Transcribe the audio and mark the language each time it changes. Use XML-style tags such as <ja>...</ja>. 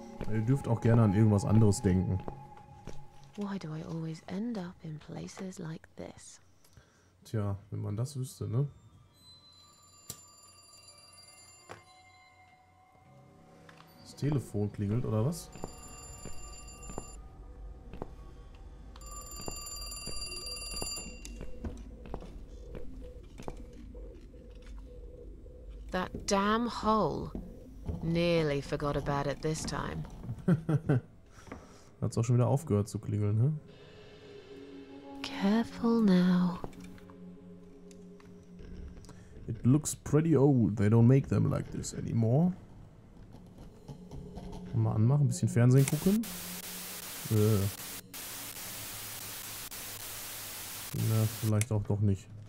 <de>Ihr dürft auch gerne an irgendwas anderes denken.</de> <en>Why do I always end up in places like this?</en> <de>Tja, wenn man das wüsste, ne? Telefon klingelt oder was?</de> <en>That damn hole. Nearly forgot about it this time.</en> <de>Hat's auch schon wieder aufgehört zu klingeln, hä?</de> <en>Careful now. It looks pretty old. They don't make them like this anymore.</en> <de>Mal anmachen, ein bisschen Fernsehen gucken. Na, vielleicht auch doch nicht.</de>